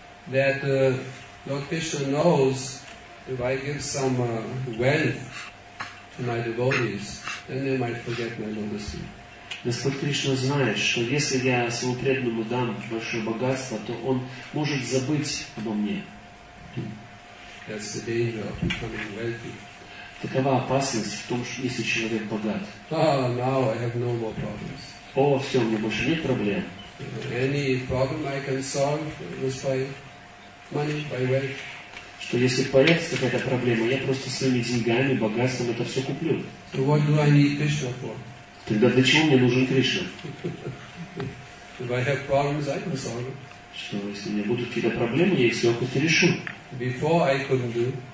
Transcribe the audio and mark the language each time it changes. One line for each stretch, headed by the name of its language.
English: That Lord Krishna knows if I give some wealth to my devotees, then they might forget my modesty.
Russian: Господь Кришна знает, что если я своему преданному дам большое богатство, то он может забыть обо мне.
English: That's the danger of becoming wealthy.
Russian: Такова опасность в том, что если человек богат.
English: Oh, now I have no more problems.
Russian: О, все, у меня больше нет проблем.
English: Any problem I can solve with my money, by wealth.
Russian: Что если появится какая-то проблема, я просто своими деньгами, богатством это все куплю.
English: So what do I need Krishna for?
Russian: Тогда для чего мне нужен Кришна?
English: If I have problems, I can solve it.
Russian: Что если у меня будут какие-то проблемы, я их все как-то решу.
English: Before I couldn't do.